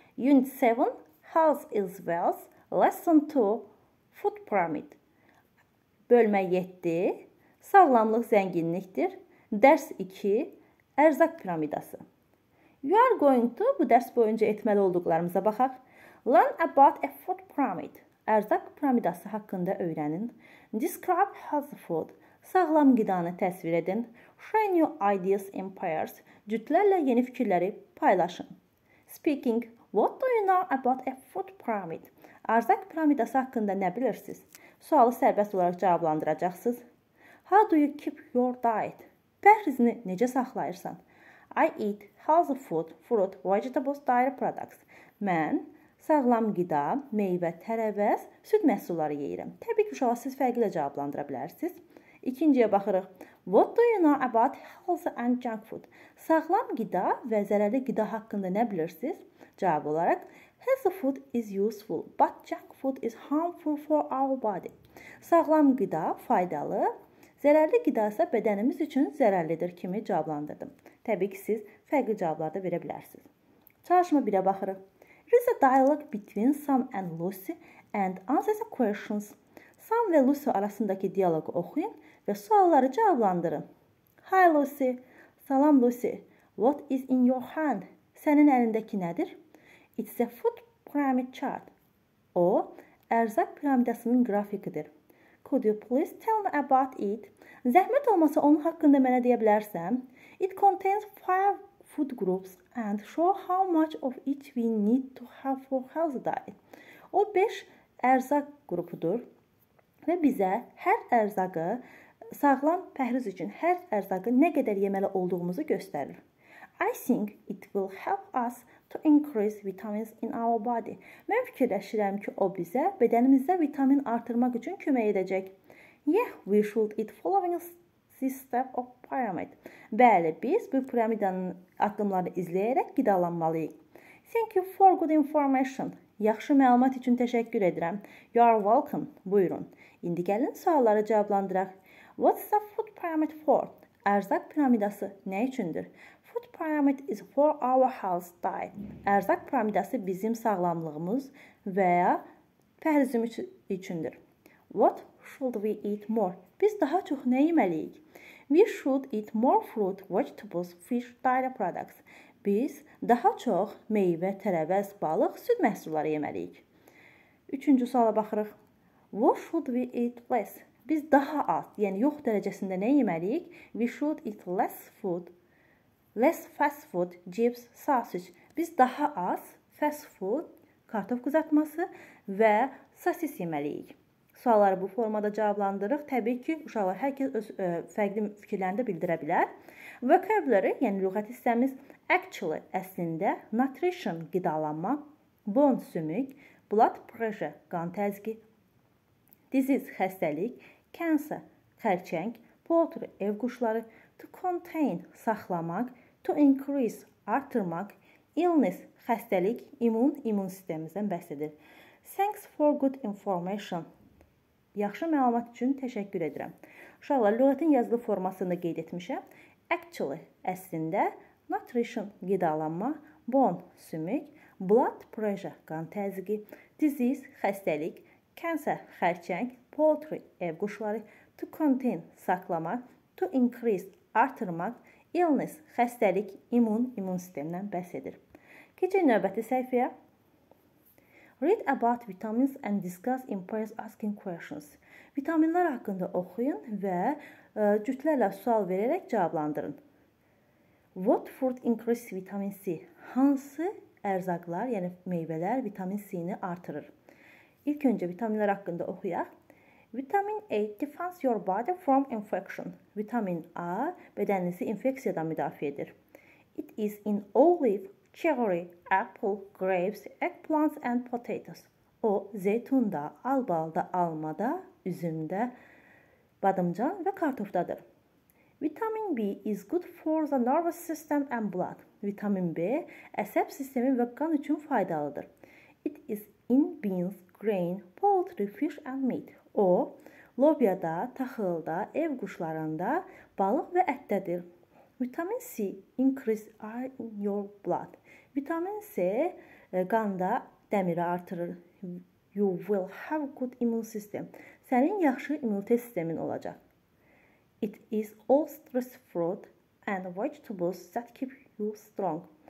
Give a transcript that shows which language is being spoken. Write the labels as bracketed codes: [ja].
[en] Unit 7, House is Wealth, Lesson 2, Food Pyramid. [az] Bölme 7, sağlamlık zenginliktir. Ders 2, Erzak Piramidası. [en] You are going to, [az] bu ders boyunca etmeli olduklarımıza baxaq. [en] Learn about a food pyramid. [az] Erzak piramidası haqqında öyrənin. [en] Describe healthy food. [az] Sağlam qidanı təsvir edin. [en] Share new ideas in pairs. [az] Cütlərlə yeni fikirləri paylaşın. [en] Speaking, what do you know about a food pyramid? [az] Erzak piramidası haqqında nə bilirsiniz? Sualı sərbəst olaraq cavablandıracaqsınız. [en] How do you keep your diet? [az] Pəhrizini necə saxlayırsan? [en] I eat healthy food, fruit, vegetables, dairy products. [az] Mən sağlam qida, meyvə, tərəvəz, süd məhsulları yeyirəm. Təbii ki, uşaq siz fərqli cavablandıra bilərsiniz. İkinciyə baxırıq. [en] What do you know about healthy and junk food? [az] Sağlam qida və zərərli qida haqqında nə bilirsiniz? Cavab olaraq, [en] healthy food is useful, but junk food is harmful for our body. [az] Sağlam qida faydalı, zərərli qida isə bədənimiz üçün zərərlidir kimi cavablandırdım. Təbii ki, siz fərqli cavablar da verə bilərsiniz. Çalışma 1-ə baxırıq. [en] There is a dialogue between Sam and Lucy and answer the questions. [az] Sam və Lucy arasındakı diyaloğu oxuyun və sualları cavablandırın. [en] Hi Lucy. [az] Salam Lucy. [en] What is in your hand? [az] Sənin əlindəki nədir? [en] It's a food pyramid chart. [az] O, ərzaq piramidasının qrafikidir. [en] Could you please tell me about it? [az] Zəhmət olmasa onun haqqında mənə deyə bilərsən? [en] It contains 5 food groups and show how much of each we need to have for healthy diet. [az] O, 5 ərzaq qrupudur. Və bizə hər ərzaqı, sağlam pəhriz üçün hər ərzaqı nə qədər yeməli olduğumuzu göstərir. [en] I think it will help us to increase vitamins in our body. [az] Mən fikirləşirəm ki, o bizə bədənimizdə vitamin artırmaq üçün kömək edəcək. [en] Yeah, we should eat following this step of pyramid. [az] Bəli, biz bu piramidanın addımlarını izləyərək qidalanmalıyıq. [en] Thank you for good information. [az] Yaxşı məlumat üçün təşəkkür edirəm. [en] You are welcome. [az] Buyurun. İndi gəlin sualları cavablandıraq. [en] What's the food pyramid for? [az] Ərzaq piramidası nə üçündür? [en] Food pyramid is for our health diet. [az] Ərzaq piramidası bizim sağlamlığımız və ya pəhrizim üçündür. [en] What should we eat more? [az] Biz daha çox nə yeməliyik? [en] We should eat more fruit, vegetables, fish, dairy products. [az] Biz daha çox meyvə, tərəvəz, balıq, süd məhsulları yeməliyik. Üçüncü suala baxırıq. [en] What should we eat less? [az] Biz daha az, yəni yox dərəcəsində nə yeməliyik? [en] We should eat less food, less fast food, chips, sausage. [az] Biz daha az fast food, kartof qızartması və sosis yeməliyik. Sualları bu formada cavablandırırıq. Təbii ki, uşaqlar hər kəs öz fərqli fikirlərini də bildirə bilər. Vocabulary, yəni lüğət hissəmiz, actually, əslində, nutrition, qidalanma, bone, sümük, [en] blood pressure, [az] qan təzyiqi, disease, xəstəlik, cancer, xərçəng, poultry, ev quşları, [en] to contain, [az] saxlamaq, [en] to increase, [az] artırmaq, illness, xəstəlik, immun sistemimizdən bəhs edir. [en] Thanks for good information. [az] Yaxşı məlumat üçün təşəkkür edirəm. Uşaqlar, lüğətin yazılı formasını qeyd etmişəm. Actually, əslində, nutrition, qidalanma, bone, sümük, [en] blood pressure, [az] qan təzyiqi, disease, xəstəlik, cancer, xərçəng, poultry, ev quşları, [en] to contain, [az] saxlamaq, [en] to increase, [az] artırmaq, illness, xəstəlik, immun sistemindən bəhs edir. Keçək növbəti səhifəyə. [en] Read about vitamins and discuss in pairs asking questions. [az] Vitaminlər haqqında oxuyun və cütlərlə sual verərək cavablandırın. [en] What food increases vitamin C? [az] Hansı ərzaqlar, yəni meyvələr vitamin C-ni artırır? İlk öncə vitaminlər haqqında oxuyaq. [en] Vitamin A defends your body from infection. [az] Vitamin A bədəninizi infeksiyadan müdafiə edir. [en] It is in olive, cherry, apple, grapes, eggplants and potatoes. [az] O, zeytunda, albalda, almada, üzümdə, badımcan və kartofdadır. [en] Vitamin B is good for the nervous system and blood. [az] Vitamin B əsəb sistemi və qan üçün faydalıdır. [en] It is in beans, grain, poultry, fish and meat. [az] O, lobyada, taxılda, ev quşlarında, balıq və ətdədir. [en] Vitamin C increase iron in your blood. [az] Vitamin C qanda dəmiri artırır. [en] You will have good immune system. [az] Sənin yaxşı immunitet sistemin olacaq. [en] It is all stress fruit and vegetables that keep you strong.